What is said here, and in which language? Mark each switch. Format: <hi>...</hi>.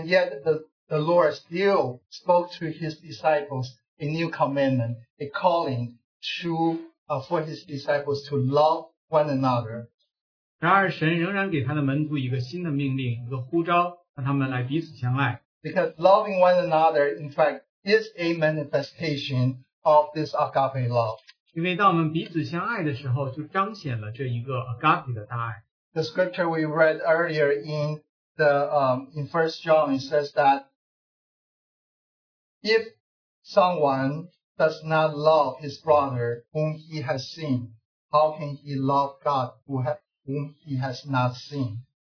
<en>And yet the Lord still spoke to His disciples a new commandment, a calling to for His disciples to love one another.</en> <zh>然而神仍然给他的门徒一个新的命令，一个呼召，让他们来彼此相爱。</zh> <en>Because loving one another, in fact, is a manifestation of this agape love.</en> <zh>因为当我们彼此相爱的时候，就彰显了这一个 agape 的大爱。</zh> <en>The scripture we read earlier in 1 John, it says that if someone does not love his brother whom he has seen, how can he love God whom he has not seen?</en>